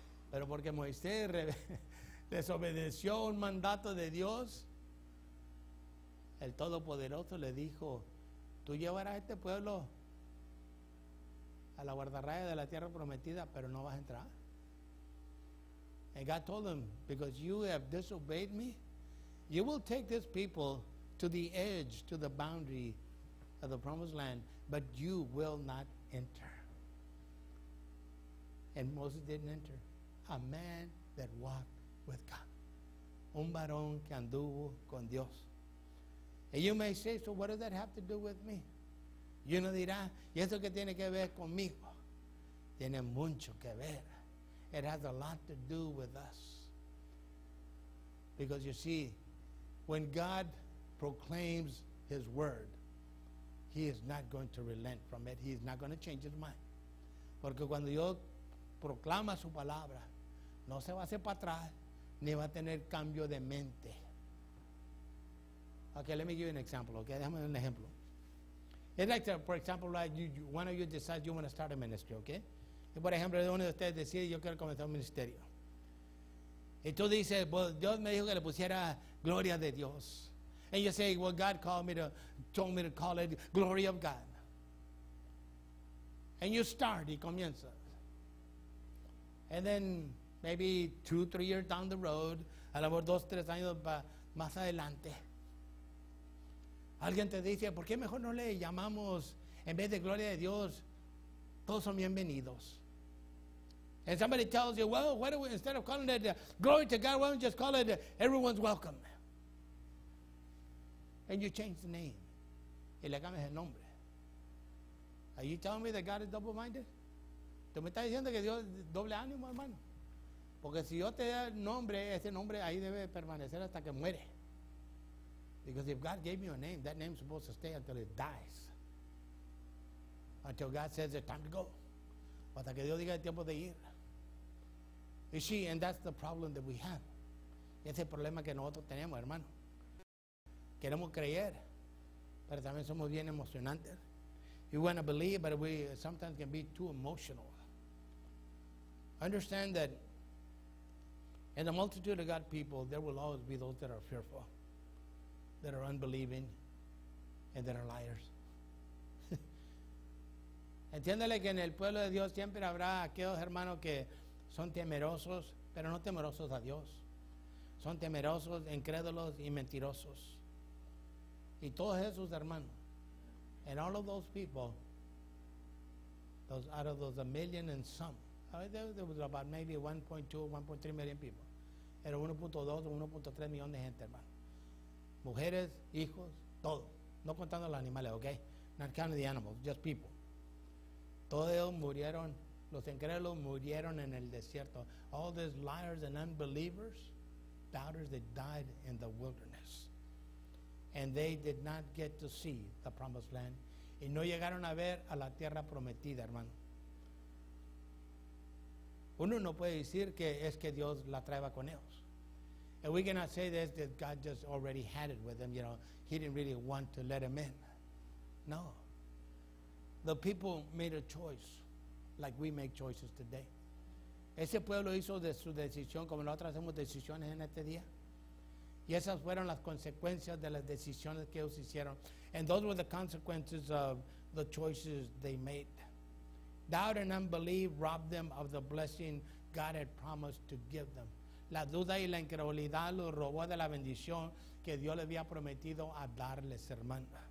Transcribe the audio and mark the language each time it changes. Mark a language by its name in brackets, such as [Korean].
[Spanish] Pero porque Moisés desobedeció un mandato de Dios, el Todopoderoso le dijo, tú llevarás a este pueblo a la guardarraya de la tierra prometida, pero no vas a entrar. [English] And God told him, because you have disobeyed me, you will take this people to the edge, to the boundary of the promised land, but you will not enter. And Moses didn't enter. A man that walked with God. [Spanish] Un varón que anduvo con Dios. [English] And you may say, so what does that have to do with me? [Spanish] Y uno dirá, ¿y eso qué tiene que ver conmigo? Tiene mucho que ver. [English] It has a lot to do with us. Because you see, when God proclaims his word, he is not going to relent from it. He is not going to change his mind. [Spanish] Porque cuando Dios proclama su palabra, no se va a hacer para atrás, ni va a tener cambio de mente. [English] Okay, let me give you an example, okay? [Spanish] Déjame un ejemplo. [English] It's like, for example, like one of you decides you want to start a ministry, okay? [Spanish] Y por ejemplo, uno de ustedes decide yo quiero comenzar un ministerio. Y tú dices, well, Dios me dijo que le pusiera gloria de Dios. [English] And you say, well, God called me to, told me to call it glory of God. And you start, [Spanish] y comienzas. [English] And then maybe 2-3 years down the road, [Spanish] a lo mejor 2-3 años más adelante, alguien te dice, ¿por qué mejor no le llamamos en vez de gloria de Dios? Todos son bienvenidos. [English] And somebody tells you, well, why don't we, instead of calling it glory to God, why don't we just call it everyone's welcome? And you change the name. [Spanish] Y le cambias el nombre. [English] Are you telling me that God is double-minded? [Spanish] ¿Tú me estás diciendo que Dios es doble ánimo, hermano? Porque si yo te da el nombre, ese nombre ahí debe permanecer hasta que muere. [English] Because if God gave me a name, that name is supposed to stay until it dies. Until God says it's time to go. [Spanish] Hasta que Dios diga el tiempo de ir. [English] You see, and that's the problem that we have. [Spanish] Ese es el problema que nosotros tenemos, hermano. Queremos creer, pero también somos bien emocionantes. [English] You want to believe, but we sometimes can be too emotional. Understand that in the multitude of God's people, there will always be those that are fearful, that are unbelieving, and that are liars. [Spanish] Entiéndale que en el pueblo de Dios siempre habrá aquellos hermanos que son temerosos, pero no temerosos a Dios. Son temerosos, incrédulos, y mentirosos. Y todos esos hermanos, [English] and all of those people, those out of those a million and some, there was about maybe 1.2, 1.3 million people. [Spanish] Era 1.2 o 1.3 millones de gente, hermano. Mujeres, hijos, todo. No contando los animales, ok. [English] Not counting the animals, just people. [Spanish] Todos ellos murieron. Los incrédulos murieron en el desierto. [English] All these liars and unbelievers, doubters, they died in the wilderness. And they did not get to see the promised land. [Spanish] Y no llegaron a ver a la tierra prometida, hermano. Uno no puede decir que es que Dios la traiga con ellos. [English] And we cannot say this, that God just already had it with them, you know. He didn't really want to let them in. No. The people made a choice, like we make choices today. [Spanish] Ese pueblo hizo de su decisión como nosotros hacemos decisiones en este día. Y esas fueron las consecuencias de las decisiones que ellos hicieron. [English] And those were the consequences of the choices they made. Doubt and unbelief robbed them of the blessing God had promised to give them. [Spanish] La duda y la incredulidad los robó de la bendición que Dios les había prometido a darles, hermana.